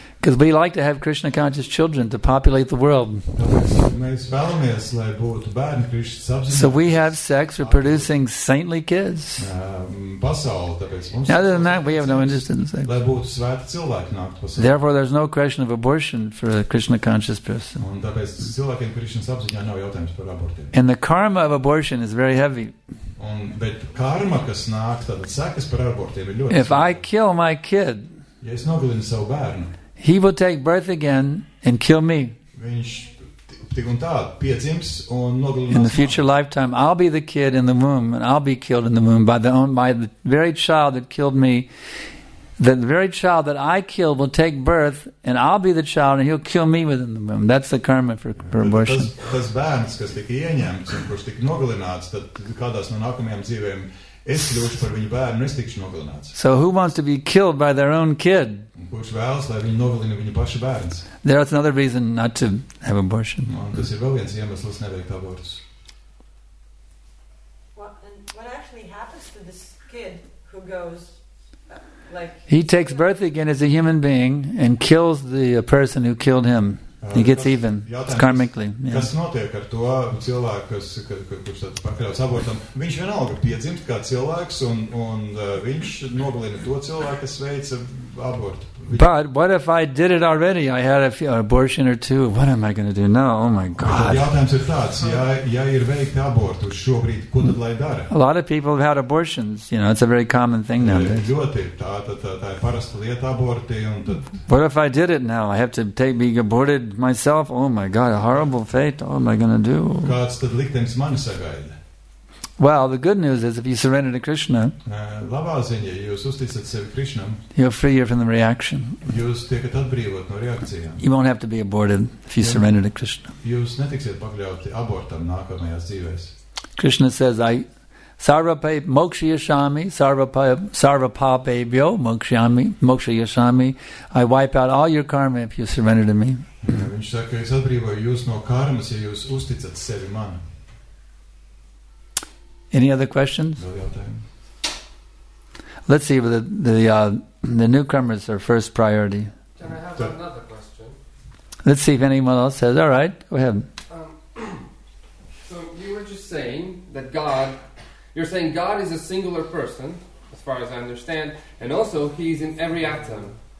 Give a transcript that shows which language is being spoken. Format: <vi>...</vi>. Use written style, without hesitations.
<en>Because we like to have Krishna conscious children to populate the world.</en> <lv>Mēs vēlamies, lai būtu bērni Krishna sapziņā.</lv> <en>So we have sex, we're producing saintly kids.</en> <lv>Pasauli, tāpēc mums...</lv> <en>Other than that, we have no interest in sex.</en> <lv>Lai būtu svēti cilvēki nākt pasauli.</lv> <en>Therefore, there's no question of abortion for a Krishna conscious person.</en> <lv>Un tāpēc cilvēkiem Krishna sapziņā nav jautājums par abortiem.</lv> <en>And the karma of abortion is very heavy.</en> <lv>Un, bet karma, kas nāk, tātad sekas par abortiem ir ļoti...</lv> <en>If I kill my kid...</en> <lv>Ja es nogalinu savu bērnu...</lv> <en>He will take birth again and kill me.</en> <lv>Viņš tik un tā piedzims un nogalinās.</lv> <en>In the future lifetime, I'll be the kid in the womb and I'll be killed in the womb by the very child that killed me. The very child that I killed will take birth and I'll be the child and he'll kill me within the womb. That's the karma for abortion.</en> <lv>Tas bērns, kas tika ieņemts un kurš tika nogalināts, tad kādās no nākamajām dzīvēm es kļūšu par viņu bērnu, es tikšu nogalināts.</lv> <en>So who wants to be killed by their own kid?</en> <lv>Kurš vēlas, lai viņu nogalina viņu pašu bērns?</lv> <en>There is another reason not to have abortion.</en> <lv>Un tas ir vēl viens iemesls neveikt abortus.</lv> <en>What actually happens to this kid who goes... He takes birth again as a human being and kills the person who killed him. He gets even. It's karmically. Yeah.</en> <lv>Kas notiek ar to cilvēku, kurš tad pakļauts abortam? Viņš vienalga piedzimst kā cilvēks un viņš nogalina to cilvēku, kas veica abortu.</lv> <en>But what if I did it already? I had a few, abortion or two. What am I going to do? No, oh my God.</en> <lv>Jautājums ir tāds, ja ir veikti abortu šobrīd, ko tad lai dara?</lv> <en>A lot of people have had abortions. You know, it's a very common thing now.</en> <lv>Ļoti, tā ir parasta lieta aborti. Un tad...</lv> <en>What if I did it now? I have to be aborted myself. Oh my God, a horrible fate. What am I going to do?</en> <lv>Kāds tad liktenis mani sagaida?</lv> <en>Well, the good news is if you surrender to Krishna,</en> <lv>labā ziņa, jūs uzticat sevi Krishnam,</lv> <en>you're freer from the reaction.</en> <lv>Jūs tiekat atbrīvot no reakcijām.</lv> <en>You won't have to be aborted if you surrender to Krishna.</en> <lv>Jūs netiksiet pakļauti abortam nākamajās dzīvēs.</lv> <en>Krishna says, I</en> <sa>sarvape mokshayami, sarvapapebhyo mokshayami, mokshayami,</sa> <en>I wipe out all your karma if you surrender to me.</en> <lv>Viņš saka, es atbrīvoju jūs no karmas, ja jūs uzticat sevi man.</lv> <en>Any other questions? Let's see if the newcomers are first priority. Can I have another question? Let's see if anyone else says. All right, go ahead. So you were just saying that God, you're saying God is a singular person, as far as I understand, and also he's in every atom.</en>